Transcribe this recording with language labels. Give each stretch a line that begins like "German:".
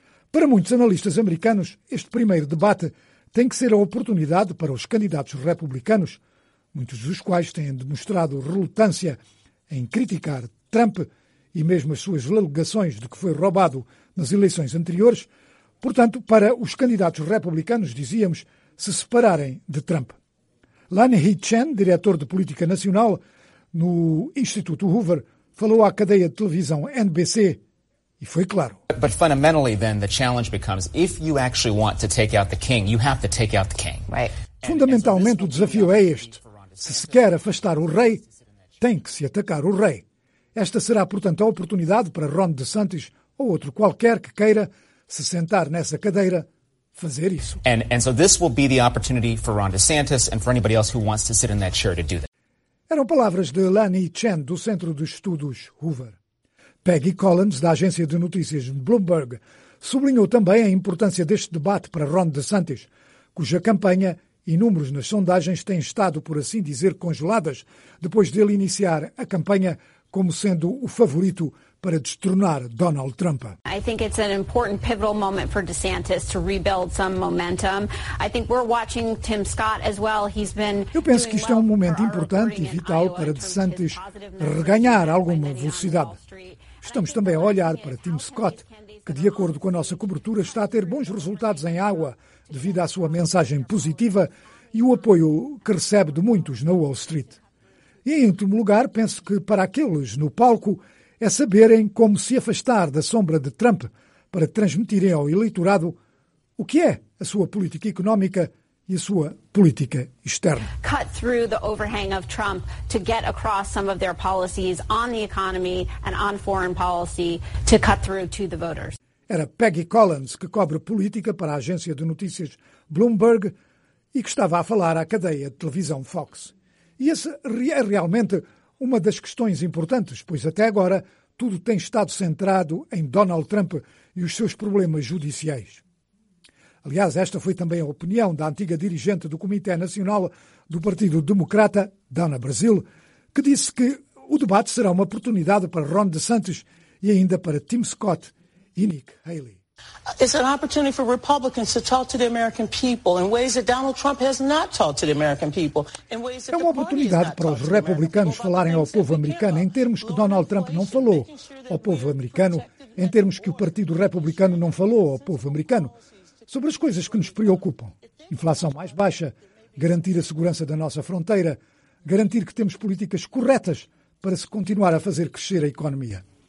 Portuguese: Para muitos analistas americanos, este primeiro debate tem que ser a oportunidade para os candidatos republicanos, muitos dos quais têm demonstrado relutância em criticar Trump e mesmo as suas alegações de que foi roubado nas eleições anteriores, portanto, para os candidatos republicanos, dizíamos, se separarem de Trump. Lanny Chen, diretor de Política Nacional no Instituto Hoover, falou à cadeia de televisão NBC e foi claro.
English: But fundamentally then the challenge becomes if you actually want to take out the king, you have to take out the king.
Portuguese: Fundamentalmente o desafio é este. Se se quer afastar o rei, tem que se atacar o rei. Esta será, portanto, a oportunidade para Ron DeSantis ou outro qualquer que queira se sentar nessa cadeira fazer isso.
English: And so this will be the opportunity for Ron DeSantis and for anybody else who wants to sit in that chair to do that.
Portuguese: Eram palavras de Lanny Chen do Centro de Estudos Hoover. Peggy Collins, da agência de notícias Bloomberg, sublinhou também a importância deste debate para Ron DeSantis, cuja campanha e números nas sondagens têm estado, por assim dizer, congeladas depois dele iniciar a campanha como sendo o favorito para destronar Donald Trump.
English: I think it's an important pivotal moment for DeSantis to rebuild some momentum. I think we're watching Tim Scott as well. He's been.
Portuguese: Eu penso que isto é um momento importante e vital para DeSantis reganhar alguma velocidade. Estamos também a olhar para Tim Scott, que de acordo com a nossa cobertura está a ter bons resultados em Iowa devido à sua mensagem positiva e o apoio que recebe de muitos na Wall Street. E em último lugar, penso que para aqueles no palco é saberem como se afastar da sombra de Trump para transmitirem ao eleitorado o que é a sua política económica e a sua política externa.
English: Cut through the overhang of Trump to get across some of their policies on the economy and on foreign policy to cut through to the voters.
Portuguese: Era Peggy Collins, que cobre política para a agência de notícias Bloomberg e que estava a falar à cadeia de televisão Fox. E essa é realmente uma das questões importantes, pois até agora tudo tem estado centrado em Donald Trump e os seus problemas judiciais. Aliás, esta foi também a opinião da antiga dirigente do Comitê Nacional do Partido Democrata, Donna Brazile, que disse que o debate será uma oportunidade para Ron DeSantis e ainda para Tim Scott e Nick Haley.
English: It's an opportunity for Republicans to talk to the American people in ways that Donald Trump has not talked to the American people.
Portuguese: É uma oportunidade para os republicanos falarem ao povo americano em termos que Donald Trump não falou ao povo americano, em termos que o Partido Republicano não falou ao povo americano, sobre as coisas que nos preocupam. Inflação mais baixa, garantir a segurança da nossa fronteira, garantir que temos políticas corretas para se continuar a fazer crescer a economia.